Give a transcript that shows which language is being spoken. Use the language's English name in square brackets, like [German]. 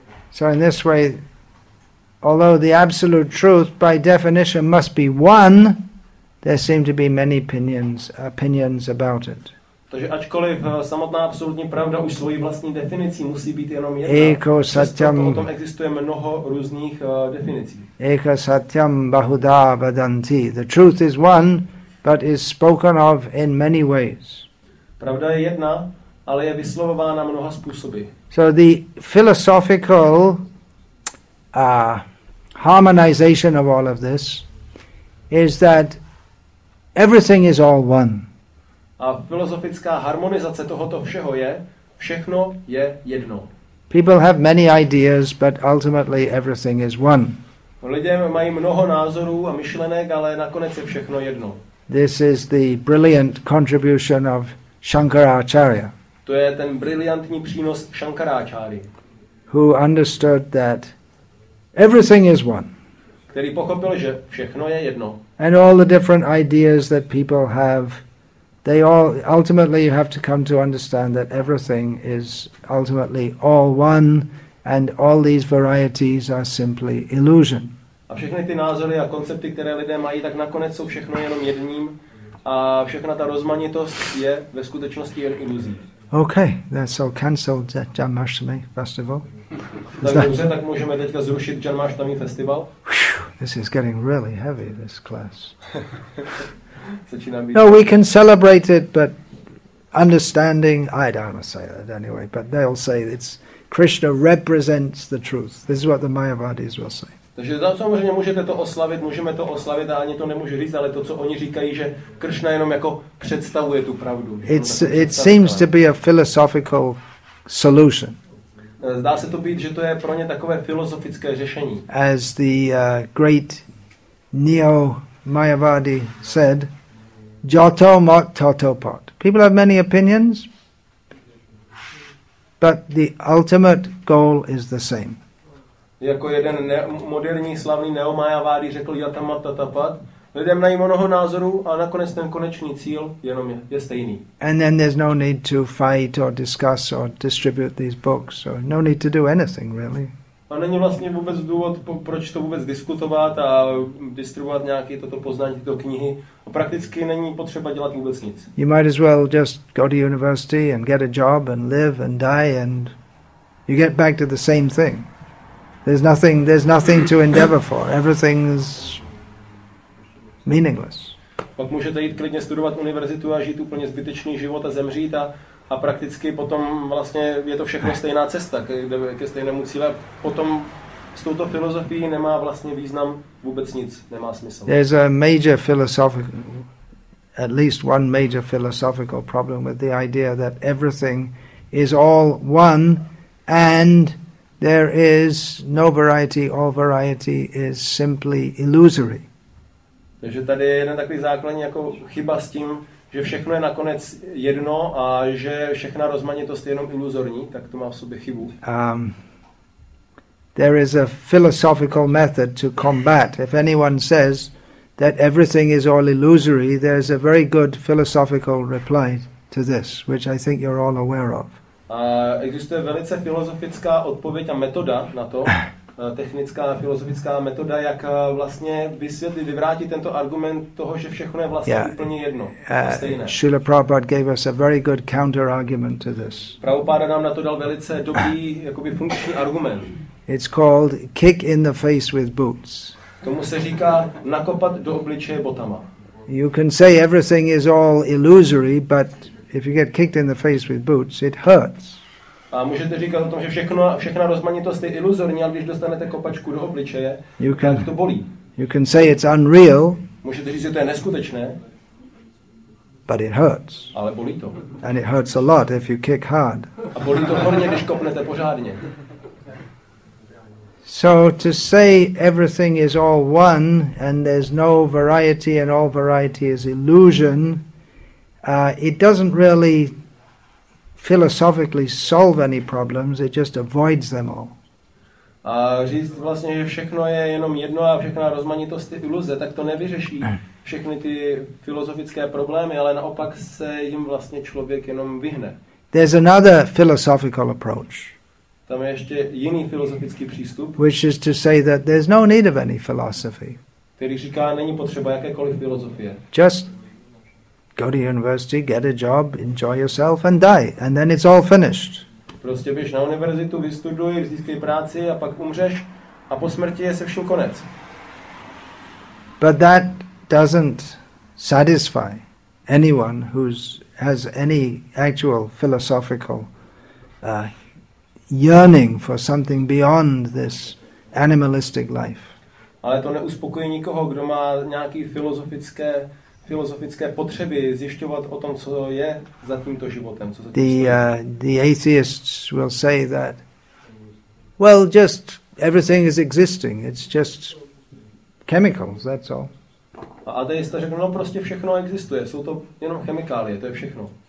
[English] So in this way, although the absolute truth by definition must be one, there seem to be many opinions about it. [Czech] Takže ačkoliv samotná absolutní pravda už svojí vlastní definicí musí být jenom jedna, [Sanskrit] eko satyam, [Czech] o tom existuje mnoho různých definicí. [Sanskrit] Eka satyam bahudha vadanti. [English] The truth is one, but is spoken of in many ways. [Czech] Pravda je jedna, ale je vyslovována mnoha způsoby. [English] So the philosophical harmonization of all of this is that everything is all one. [Czech] A filozofická harmonizace tohoto všeho je, všechno je jedno. [English] People have many ideas, but ultimately everything is one. [Czech] Lidé mají mnoho názorů a myšlenek, ale nakonec je všechno jedno. [English] This is the brilliant contribution of Shankaracharya. [Czech] To je ten brilliantní přínos Shankaráčáry. [English] Who understood that everything is one. [Czech] Který pochopil, že všechno je jedno. [English] And all the different ideas that people have, they all ultimately you have to come to understand that everything is ultimately all one, and all these varieties are simply illusion. [Czech] A všechny ty názory a koncepty, které lidé mají, tak nakonec jsou všechno jenom jedním, a všechna ta rozmanitost je ve skutečnosti jen iluzí. [English] Okay, that's all cancelled at Janmashtami festival. [Czech] Tak můžeme teďka zrušit Janmashtami festival. [English] This is getting really heavy, this class. No, we can celebrate it, but understanding, I don't want to say that anyway, but they'll say it's Krishna represents the truth. This is what the Mayavadis will say. [Czech] Takže samozřejmě můžete to oslavit, můžeme to oslavit, a ani to nemůžu říct, ale to, co oni říkají, že Krishna jenom jako představuje tu pravdu. [English] It seems to be a philosophical solution. [Czech] Zdá se to být, že to je pro ně takové filozofické řešení. [English] As the great Neo-Mayavadi said, [Bangla] Jato mot toto pot. [English] People have many opinions, but the ultimate goal is the same. [Czech] Jako jeden moderní slavný Neo-Mayavadi řekl [Bangla] Jata mot toto pot. [Czech] Lidé mají mnoho názorů, a nakonec ten konečný cíl jenom je stejný. [English] And then there's no need to fight or discuss or distribute these books. So no need to do anything really. [Czech] A není vlastně vůbec důvod, proč to vůbec diskutovat a distribuovat nějaké toto poznání, tyto knihy. A prakticky není potřeba dělat vůbec nic. [English] You might as well just go to university and get a job and live and die and you get back to the same thing. There's nothing to endeavor for. Everything's meaningless. [Czech] Pak můžete jít klidně studovat univerzitu a žít úplně zbytečný život a zemřít a prakticky potom vlastně je to všechno stejná cesta ke stejnému cíle. Potom s touto filozofií nemá vlastně význam vůbec nic, nemá smysl. [English] There's a major philosophical, at least one major philosophical problem with the idea that everything is all one and there is no variety, all variety is simply illusory. [Czech] Takže tady je jeden takový základní jako chyba s tím, že všechno je nakonec jedno a že všechna rozmanitost je jenom iluzorní, tak to má v sobě chybu. [English] There is a philosophical method to combat. If anyone says that everything is all illusory, there's a very good philosophical reply to this, which I think you're all aware of. [Czech] Existuje velice filozofická odpověď a metoda na to, technická filozofická metoda, jak vlastně vysvětlit, vyvrátit tento argument toho, že všechno je vlastně úplně jedno, stejné. [English] Srila Prabhupada gave us a very good counter argument to this. [Czech] Prabhupada nám na to dal velice dobrý, jakoby funkční argument. [English] It's called kick in the face with boots. [Czech] Tomu se říká nakopat do obličeje botama. [English] You can say everything is all illusory, but if you get kicked in the face with boots, it hurts. [Czech] A můžete říkat o tom, že všechna rozmanitost je iluzorní, ale když dostanete kopačku do obličeje, tak to bolí. [English] You can say it's unreal. [Czech] Můžete říct, že to je neskutečné. [English] But it hurts. [Czech] Ale bolí to. [English] And it hurts a lot if you kick hard. [Czech] A bolí to hodně, když kopnete pořádně. [English] So to say everything is all one and there's no variety and all variety is illusion, it doesn't really philosophically solve any problems, it just avoids them all. [Czech] A říct vlastně, že všechno je jenom jedno a všechna rozmanitost je iluze, tak to nevyřeší všechny ty filozofické problémy, ale naopak se jim vlastně člověk jenom vyhne. [English] There's another philosophical approach. [Czech] Tam je ještě jiný filozofický přístup. [English] Which is to say that there's no need of any philosophy. [Czech] Který říká, není potřeba jakékoliv filozofie. [English] Just go to university, get a job, enjoy yourself and die. And then it's all finished. [Czech] Prostě běž na univerzitu, vystuduj, získej práci a pak umřeš a po smrti je se vším konec. [English] But that doesn't satisfy anyone who's has any actual philosophical yearning for something beyond this animalistic life. [Czech] ale to neuspokojí nikoho, kdo má nějaké filozofické potřeby zjišťovat o tom, co je za tímto životem. Co za tím [English] the atheists will say that, well, just everything is existing, it's just chemicals, that's all. [Czech] A ateista řekne, no prostě všechno existuje, jsou to jenom chemikálie, to je všechno.